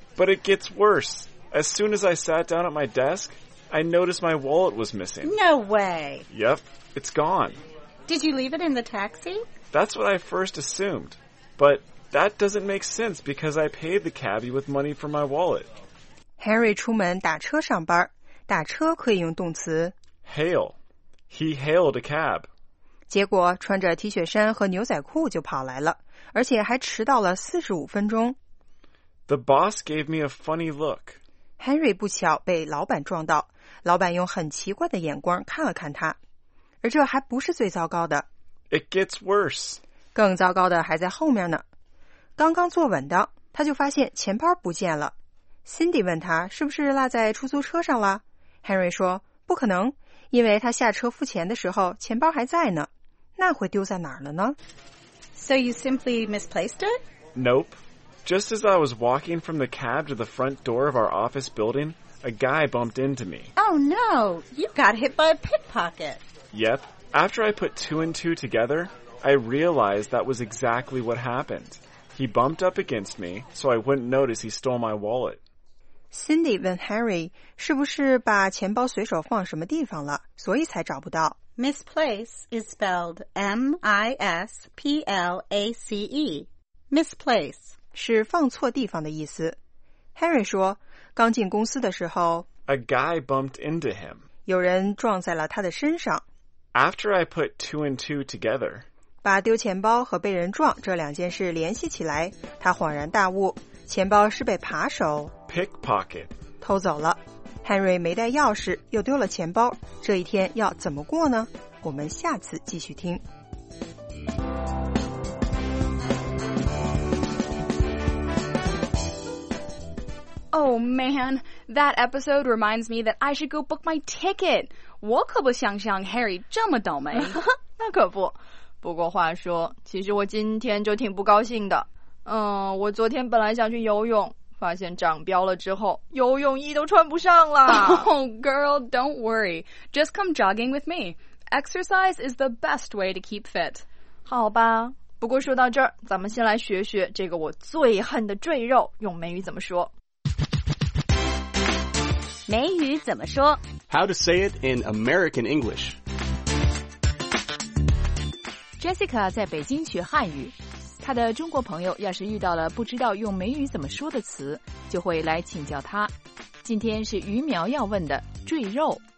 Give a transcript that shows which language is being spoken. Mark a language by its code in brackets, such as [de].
[en] But it gets worse. As soon as I sat down at my desk, I noticed my wallet was missing. No way. Yep, it's gone. Did you leave it in the taxi? That's what I first assumed. But that doesn't make sense because I paid the cabbie with money for my wallet. [zh] Harry 出门打车上班，打车可以用动词 [en] hail. He hailed a cab. [zh] 结果穿着 T 恤衫和牛仔裤就跑来了，而且还迟到了45分钟。 [en] The boss gave me a funny look. [zh] Harry 不巧被老板撞到，老板用很奇怪的眼光看了看他。而这还不是最糟糕的。 [en] It gets worse. [zh] 更糟糕的还在后面呢。刚刚坐稳的，他就发现钱包不见了。Cindy 问他是不是落在出租车上了 ？Harry 说不可能，因为他下车付钱的时候钱包还在呢。那会丢在哪儿了呢 [en] ？So you simply misplaced it? Nope. Just as I was walking from the cab to the front door of our office building, a guy bumped into me. Oh no! You got hit by a pickpocket. Yep. After I put two and two together, I realized that was exactly what happened. He bumped up against me, so I wouldn't notice he stole my wallet. [zh] Cindy 问 Harry 是不是把钱包随手放什么地方了，所以才找不到。 [en] Misplace is spelled M-I-S-P-L-A-C-E. Misplace [zh] 是放错地方的意思。 Harry 说，刚进公司的时候 [en] ，A guy bumped into him. [zh] 有人撞在了他的身上。 [en] After I put two and two together, [zh] 把丢钱包和被人撞这两件事联系起来，他恍然大悟。钱包是被扒手 [en] pickpocket [zh] 偷走了。 Henry 没带钥匙，又丢了钱包，这一天要怎么过呢？我们下次继续听。 [en] Oh man, that episode reminds me that I should go book my ticket. [zh] 我可不想像 Harry 这么倒霉。那可不。不过话说，其实我今天就挺不高兴的。我昨天本来想去游泳，发现涨标了之后，游泳衣都穿不上了。 [en] Oh girl, don't worry. Just come jogging with me. Exercise is the best way to keep fit. [zh] 好吧。不过说到这儿，咱们先来学学这个我最恨的赘肉，用美语怎么说。美语怎么说？ [en] How to say it in American English. [zh] Jessica 在北京学汉语，她的中国朋友要是遇到了不知道用美语怎么说的词，就会来请教她。今天是鱼苗要问的赘肉。